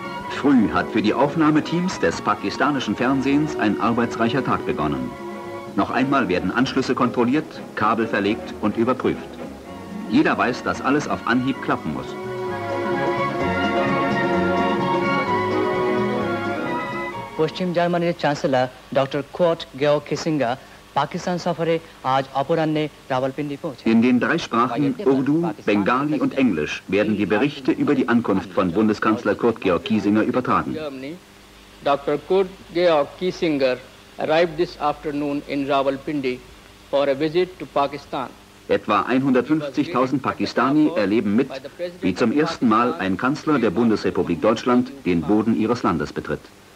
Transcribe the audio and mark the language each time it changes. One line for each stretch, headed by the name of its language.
German: Früh hat für die Aufnahmeteams des pakistanischen Fernsehens ein arbeitsreicher Tag begonnen. Noch einmal werden Anschlüsse kontrolliert, Kabel verlegt und überprüft. Jeder weiß, dass alles auf Anhieb klappen muss.
Bangla: পশ্চিম জার্মানির chancellor doctor court গেও কিসিঙ্গা Pakistan সফরে আজ অপরাহ্নে রাওয়ালপিন্ডি পৌঁছে।
German: In den drei Sprachen Urdu, Bengali und Englisch werden die Berichte über die Ankunft von Bundeskanzler Kurt Georg Kiesinger übertragen.
English: Dr. Kurt Georg Kiesinger arrived this afternoon in Rawalpindi for a visit to Pakistan.
German: Etwa 150.000 Pakistani erleben mit, wie zum ersten Mal ein Kanzler der Bundesrepublik Deutschland den Boden ihres Landes betritt.